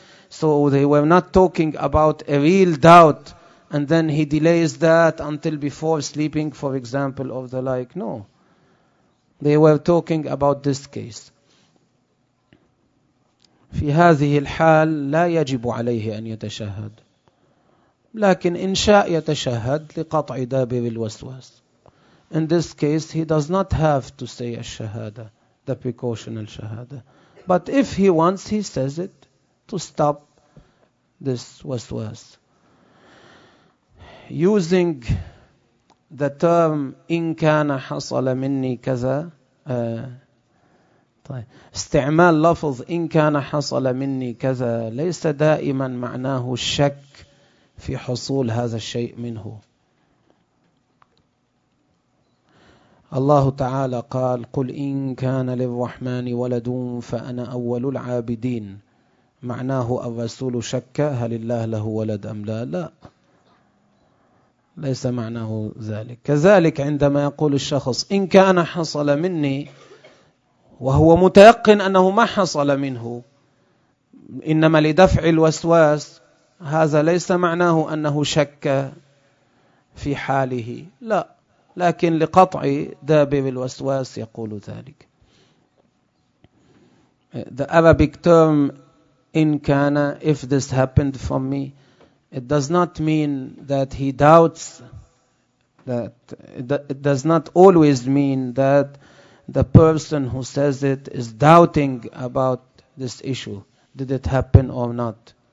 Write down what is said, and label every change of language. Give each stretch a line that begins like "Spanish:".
English: So they were not talking about a real doubt, and then he delays that until before sleeping, for example, or the like. No. They were talking about this case.
Arabic: في هذه الحال لا يجب عليه أن يتشهد. لكن إن شاء يتشهد لقطع دابر الوسواس.
English: In this case, he does not have to say a shahada, the precautional shahada. But if he wants, he says it to stop this waswas. Using the term
Arabic: إن كان حصل مني كذا, استعمال لفظ إن كان حصل مني كذا ليس دائما معناه الشك في حصول هذا الشيء منه. الله تعالى قال قل إن كان للرحمن ولد فأنا أول العابدين, معناه الرسول شك هل الله له ولد أم لا؟ لا, ليس معناه ذلك. كذلك عندما يقول الشخص إن كان حصل مني وهو متيقن أنه ما حصل منه إنما لدفع الوسواس, هذا ليس معناه أنه شك في حاله, لا, لكن لقطع دابر الوسواس يقول ذلك.
English: The Arabic term
Arabic: إن كان,
English: if this happened from me, it does not mean that he doubts, that it does not always mean that the person who says it is doubting about this issue, did it happen or not.